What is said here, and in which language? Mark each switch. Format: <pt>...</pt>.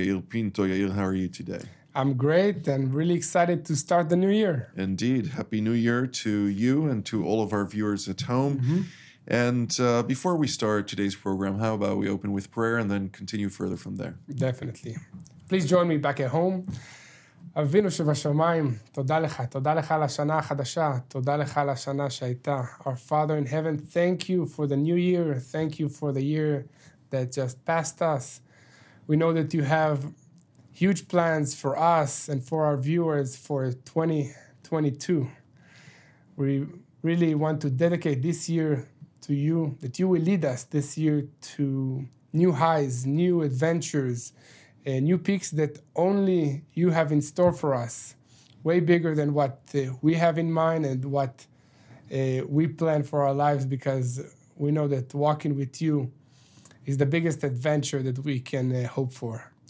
<en>Yair Pinto. Yair, how are you today? I'm great and really excited to start the new year. Indeed. Happy New Year to you and to all of our viewers at home. Mm-hmm. And before we start today's program, how about we open with prayer and then continue further from there? Definitely. Please join me back at home.</en> <he>אבינו שבשמיים, תודה לך, תודה לך על השנה החדשה, תודה לך על השנה שהייתה.</he> <en>Our Father in Heaven, thank you for the new year, thank you for the year that just passed us. We know that you have huge plans for us and for our viewers for 2022. We really want to dedicate this year to you, that you will lead us this year to new highs, new adventures, new peaks that only you have in store for us, way bigger than what we have in mind and what we plan for our lives, because we know that walking with you is the biggest adventure that we can hope for.</en>